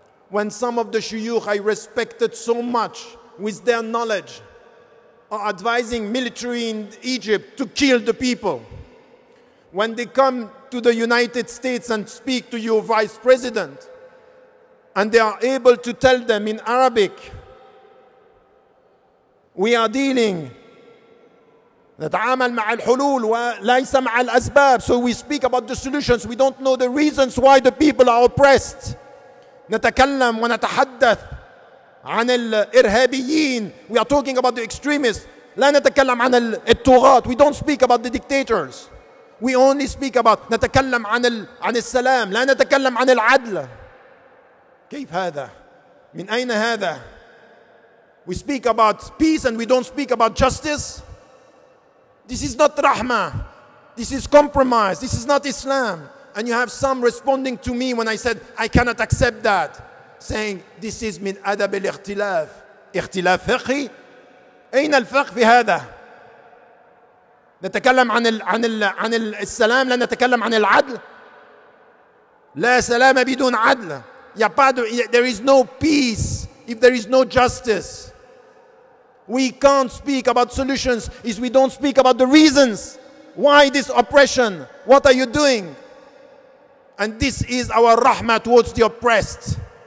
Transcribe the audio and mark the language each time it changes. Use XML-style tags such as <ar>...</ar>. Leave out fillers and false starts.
<en>When some of the shuyukh I respected so much with their knowledge are advising military in Egypt to kill the people, when they come to the United States and speak to your vice president, and they are able to tell them in Arabic, we are dealing</en> <ar>نتعامل مع الحلول وليس مع الأسباب.</ar> <en>So we speak about the solutions. We don't know the reasons why the people are oppressed.</en> <ar>نتكلم ونتحدث عن الإرهابيين.</ar> <en>We are talking about the extremists.</en> <ar>لا نتكلم عن الطغاة.</ar> <en>We don't speak about the dictators. We only speak about</en> <ar>نتكلم عن السلام. لا نتكلم عن العدل. كيف هذا؟ من أين هذا؟</ar> <en>We speak about peace and we don't speak about justice. This is not rahmah. This is compromise. This is not Islam. And you have some responding to me when I said, I cannot accept that, saying, this is</en> <ar>min adab al-ikhtilaf. Ikhtilaf fiqhi? Ayn al-fiqh fi hada? نتكلم عن السلام, لا نتكلم عن العدل. لا سلام بدون عدل.</ar> <en>There is no peace if there is no justice. We can't speak about solutions if we don't speak about the reasons. Why this oppression? What are you doing? And this is our rahmah towards the oppressed.</en>